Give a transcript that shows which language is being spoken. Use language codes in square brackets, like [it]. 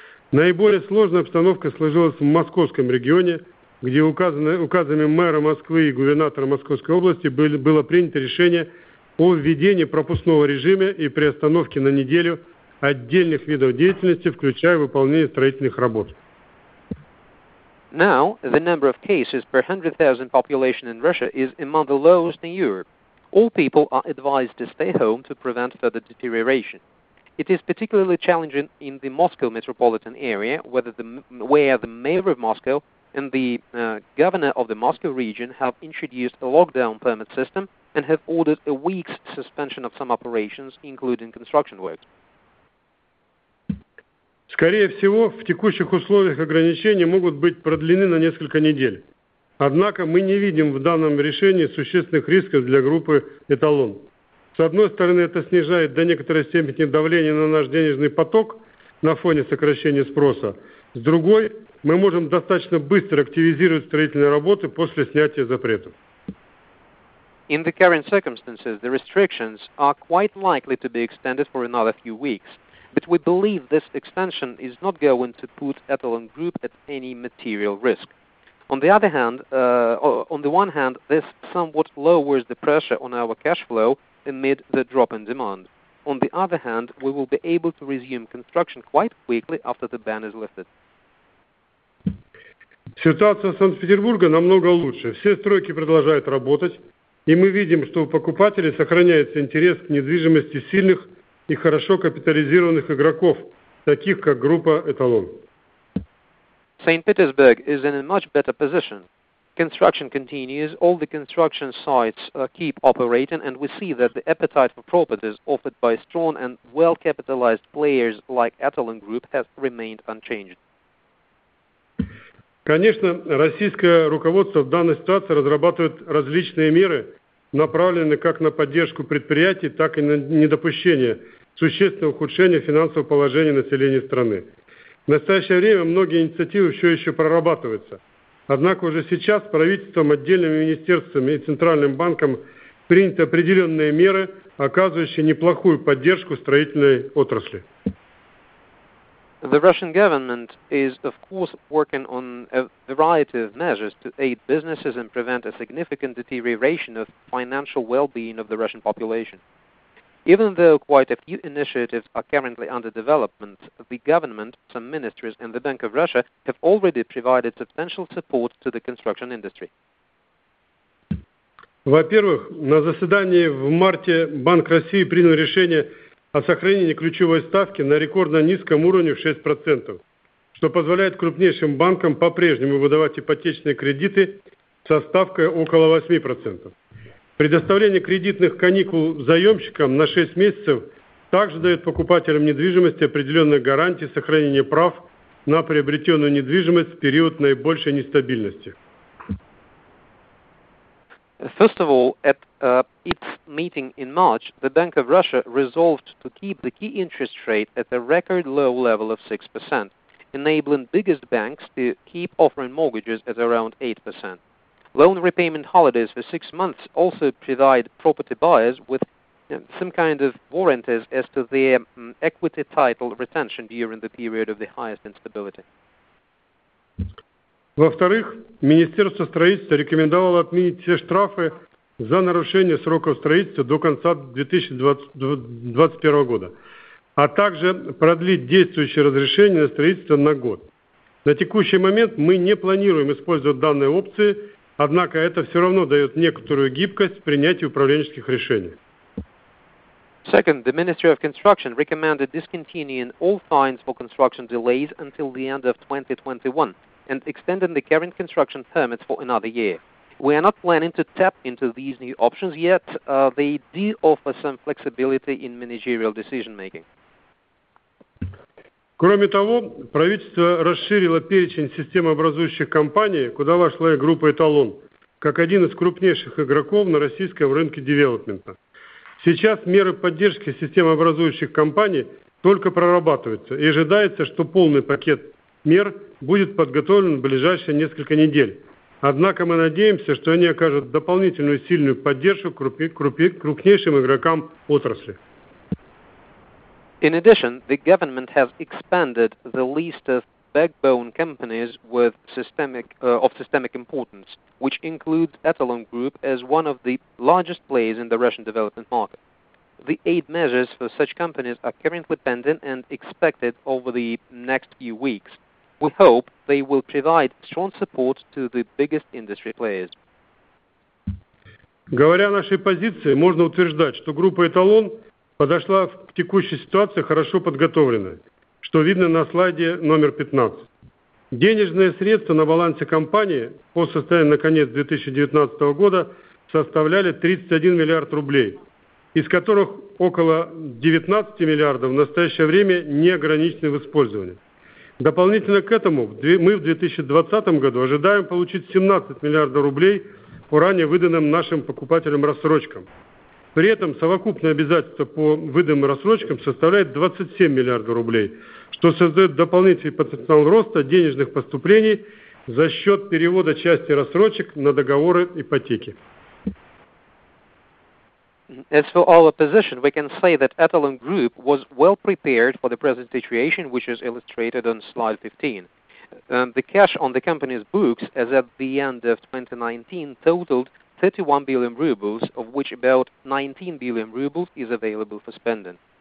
[ru] Наиболее сложная обстановка сложилась в Московском регионе, где указами мэра Москвы и губернатора Московской области было принято решение о введении пропускного режима и приостановке на неделю отдельных видов деятельности, включая выполнение строительных работ. [en] Now, the number of cases per 100,000 population in Russia is among the lowest in Europe. All people are advised to stay home to prevent further deterioration. It is particularly challenging in the Moscow metropolitan area, where the mayor of Moscow and the governor of the Moscow region have introduced a lockdown permit system and have ordered a week's suspension of some operations, including construction works. [ru] Скорее всего, в текущих условиях ограничения могут быть продлены на несколько недель. Однако мы не видим в данном решении существенных рисков для группы «Эталон». С одной стороны, это снижает до некоторой степени давление на наш денежный поток на фоне сокращения спроса. С другой, мы можем достаточно быстро активизировать строительные работы после снятия запретов. [en] In the current circumstances, the restrictions are quite likely to be extended for another few weeks, but we believe this extension is not going to put Etalon Group at any material risk. On the one hand, this somewhat lowers the pressure on our cash flow amid the drop in demand. On the other hand, we will be able to resume construction quite quickly after the ban is lifted. [ru] Ситуация Санкт-Петербурга намного лучше. Все стройки продолжают работать, и мы видим, что у покупателей сохраняется интерес к недвижимости сильных и хорошо капитализированных игроков, таких как группа «Эталон». [en] St. Petersburg is in a much better position. Construction continues, all the construction sites keep operating, and we see that the appetite for properties offered by strong and well-capitalized players like Etalon Group has remained unchanged. [ru] Конечно, российское руководство в данной ситуации разрабатывает различные меры, направленные как на поддержку предприятий, так и на недопущение существенного ухудшения финансового положения населения страны. В настоящее время многие инициативы все еще прорабатываются. Однако уже сейчас правительством, отдельными министерствами и Центральным банком приняты определенные меры, оказывающие неплохую поддержку строительной отрасли. [en] The Russian government is, of course, working on a variety of measures to aid businesses and prevent a significant deterioration of financial well-being of the Russian population. Even though quite a few initiatives are currently under development, the government, some ministries, and the Bank of Russia have already provided substantial support to the construction industry. [ru] Во-первых, на заседании в марте Банк России принял решение о сохранении ключевой ставки на рекордно низком уровне в 6%, что позволяет крупнейшим банкам по-прежнему выдавать ипотечные кредиты со ставкой около 8%. Предоставление кредитных каникул заемщикам на 6 месяцев также дает покупателям недвижимости определенные гарантии сохранения прав на приобретенную недвижимость в период наибольшей нестабильности. [en] First of all, at its meeting in March, the Bank of Russia resolved to keep the key interest rate at a record low level of 6%, enabling biggest banks to keep offering mortgages at around 8%. Loan repayment holidays for 6 months also provide property buyers with some kind of warranties as to their equity title retention during the period of the highest instability. [ru] Во-вторых, Министерство строительства рекомендовало отменить все штрафы за нарушение сроков строительства до конца 2021 года, а также продлить действующее разрешение на строительство на год. На текущий момент мы не планируем использовать данные опции, однако это все равно дает некоторую гибкость в принятии управленческих решений. [en] Second, the Ministry of Construction recommended discontinuing all fines for construction delays until the end of 2021. And extending the current construction permits for another year. We are not planning to tap into these new options yet. They do offer some flexibility in managerial decision making. [ru] Кроме того, правительство расширило перечень системообразующих компаний, куда вошла и группа «Эталон», как один из крупнейших игроков на российском рынке девелопмента. Сейчас меры поддержки системообразующих компаний только прорабатываются, и ожидается, что полный пакет мер будет подготовлен в ближайшие несколько недель. Однако мы надеемся, что они окажут дополнительную сильную поддержку крупнейшим игрокам отрасли. [en] In addition, the government has expanded the list of backbone companies with systemic importance, which includes Etalon Group as one of the largest players in the Russian development market. The aid measures for such companies are currently pending and expected over the next few weeks. We hope they will provide strong support to the biggest industry players. [ru] Говоря о нашей позиции, можно утверждать, что группа «Эталон» подошла в текущей ситуации хорошо подготовленной, что видно на слайде номер 15. Денежные средства на балансе компании по состоянию на конец 2019 года составляли 31 миллиард рублей, из которых около 19 миллиардов в настоящее время не ограничены в использовании. Дополнительно к этому мы в 2020 году ожидаем получить 17 миллиардов рублей по ранее выданным нашим покупателям рассрочкам. При этом совокупное обязательство по выданным рассрочкам составляет 27 миллиардов рублей, что создает дополнительный потенциал роста денежных поступлений за счет перевода части рассрочек на договоры ипотеки. [en] As for our position, we can say that Etalon Group was well prepared for the present situation, which is illustrated on slide 15. The cash on the company's books as at the end of 2019 totaled 31 billion rubles, of which about 19 billion rubles is available for spending.